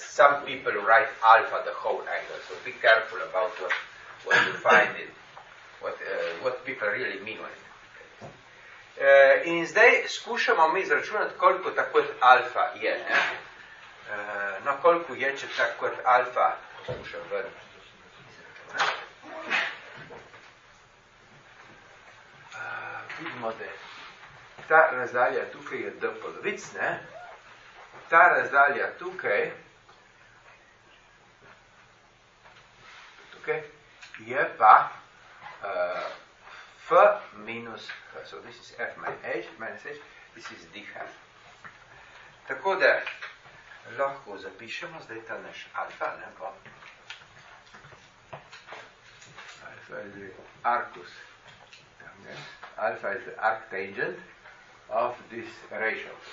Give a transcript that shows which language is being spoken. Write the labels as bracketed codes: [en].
[en] Some people write alpha the whole angle, so be careful about what you find in what people really mean with it. [sl] In zdaj skušamo mi izračunati, koliko ta kot alfa je. Ne? No, koliko je, če ta kot alfa skušam vrniti. Vidimo, da ta razdalja tukaj je d polovic. Ne? Ta razdalja tukaj je pa f minus h. [en] So this is f minus h, this is d h. [sl] Tako da lahko zapišemo zdaj ta naš alfa, ne bo. Alfa je arcus. [en] Alfa is the arctangent of this ratio.